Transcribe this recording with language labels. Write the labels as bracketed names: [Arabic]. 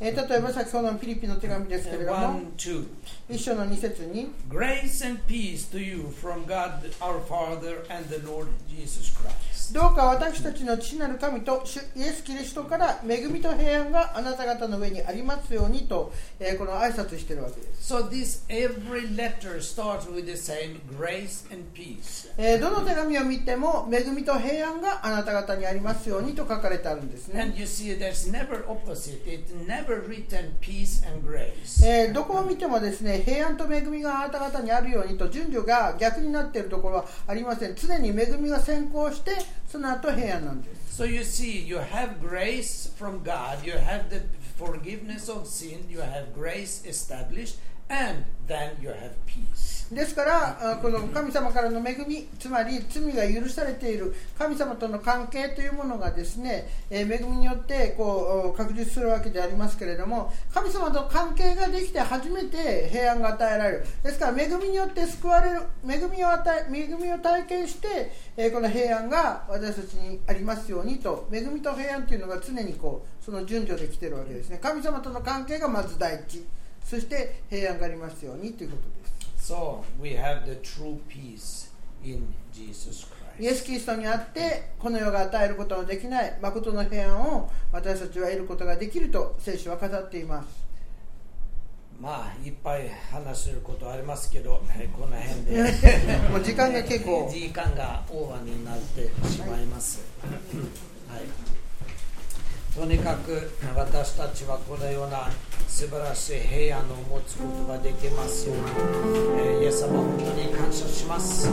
[Japanese] 例えば先ほどのフィリピンの手紙ですけれども 1章の2節に [English] Grace and peace to you from God our Father and the Lord Jesus Christ. [Japanese] どうか私たちの父なる神と主イエス・キリストから恵みと平安があなた方の上にありますようにと、この挨拶しているわけです。 [English] So this every letter starts with the same grace and peace. [Japanese] どの手紙を見ても恵みと平安があなた方にありますようにと書かれてあるんですね。 [English] And you see, there's never opposite. It's never written peace and grace. [Japanese] どこを見てもですね、平安と恵みがあなた方にあるようにと順序が逆になっているところはありません。常に恵みが先行してその後平安なんです。 [English] So you see, you have grace from God. You have the forgiveness of sin. You have grace established. And then you have peace. [Japanese] ですからこの神様からの恵み、つまり罪が許されている神様との関係というものがですね、恵みによってこう確立するわけでありますけれども、神様との関係ができて初めて平安が与えられる。ですから恵みによって救われる、恵みを体験して、この平安が私たちにありますようにと、恵みと平安というのが常にこうその順序で来ているわけですね。神様との関係がまず第一、そして平安がありますようにということです。 [English] So we have the true peace in Jesus Christ. [Japanese] イエス・キリストにあってこの世が与えることのできない誠の平安を私たちは得ることができると聖書は語っています。まあ、いっぱい話することありますけど、この辺でもう時間が結構時間がオーバーになってしまいます。はい、はい、とにかく私たちはこのような素晴らしい平安を持つことができますように、イエス様本当に感謝します。